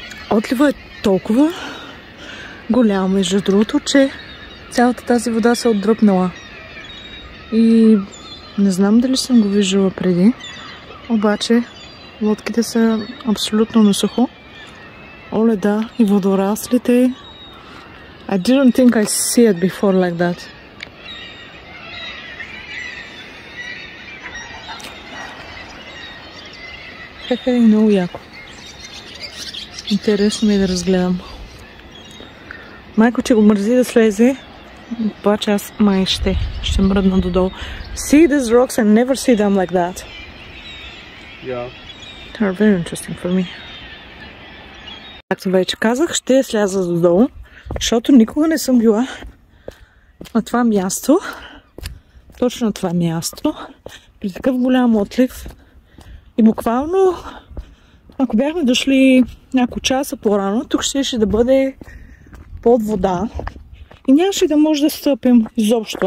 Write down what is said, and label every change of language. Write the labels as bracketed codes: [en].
[bg] Отлива е толкова голям, между другото, че цялата тази вода се отдръпнала. И не знам дали съм го виждала преди, обаче лодките са абсолютно на сухо. Оле да, и водораслите. [en] I didn't think I see it before like that. [bg] Хе-хе, много яко. Интересно ми е да разгледам. Майко, че го мързи да слезе, обаче аз май ще мръдна додолу. [en] See these rocks and never see them like that. Yeah. They're very interesting for me. [bg] Както вече казах, ще сляза додолу, защото никога не съм била на това място. Точно на това място. При такъв голям отлив. И буквално, ако бяхме дошли няколко часа по-рано, тук щеше да бъде под вода и нямаше да може да стъпим изобщо.